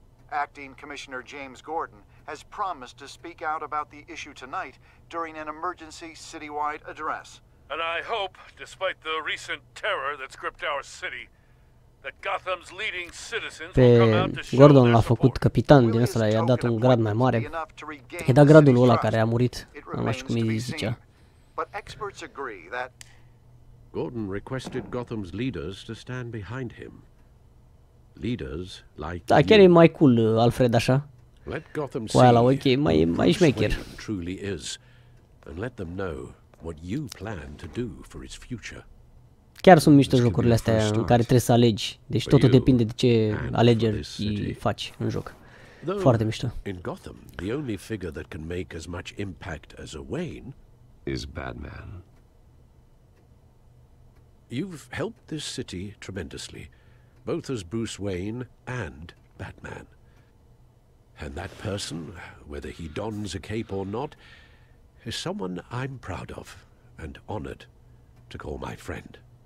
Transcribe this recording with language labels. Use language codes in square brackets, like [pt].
[en] Acting Commissioner James Gordon has promised to speak out about the issue tonight during an emergency citywide address. And I hope, despite the recent terror that's gripped our city, that Gotham's leading citizens will come out to show their Gordon support. [ro] L-a făcut capitan din ăsta, i-a dat un grad mai mare. I-a dat gradul ăla care a murit, nu știu cum îi zicea. [en] But experts agree that Gordon requested Gotham's leaders to stand behind him. Leaders like [ro] da, chiar e mai cool, Alfred, așa. Cu aia la ochi, mai șmecher. [en] Truly is. And let them know what you plan to do for its future. [ro] Chiar sunt mișto jocurile astea în care trebuie să alegi. Deci totul depinde de ce alegeri faci în joc. Foarte mișto. [en] In Gotham, the only figure that can make as much impact as a Wayne is Batman. You've helped this city tremendously, both as Bruce Wayne and Batman. And that person, whether he dons a cape or not, is someone I'm proud of and honored to call my friend.